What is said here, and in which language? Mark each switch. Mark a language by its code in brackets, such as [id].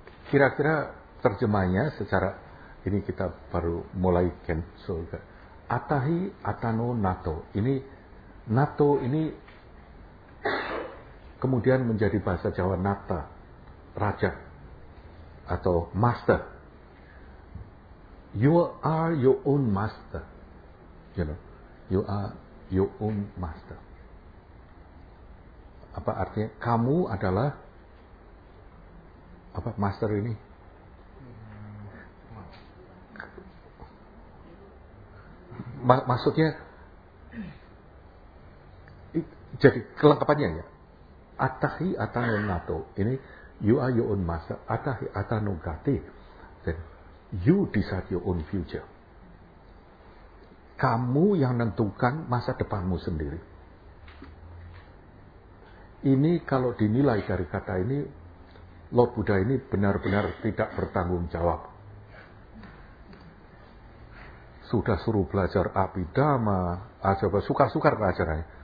[id] Kira-kira terjemahnya secara ini kita baru mulai cancel. [pi] Attahi atano nato. [id] Ini nato ini kemudian menjadi bahasa Jawa nata, raja atau master. [en] You are your own master. You know, you are your own master. [id] Apa artinya? Kamu adalah apa master ini? Maksudnya jadi kelengkapannya ya. [pi] Attahi atano nato. [en] Ini you are your own master. [pi] Attahi atano gati. [en] Then you decide your own future. [id] Kamu yang menentukan masa depanmu sendiri. Ini kalau dinilai dari kata ini, Lord Buddha ini benar-benar tidak bertanggung jawab. Sudah suruh belajar Abhidhamma, ajaba sukar-sukar pelajarannya.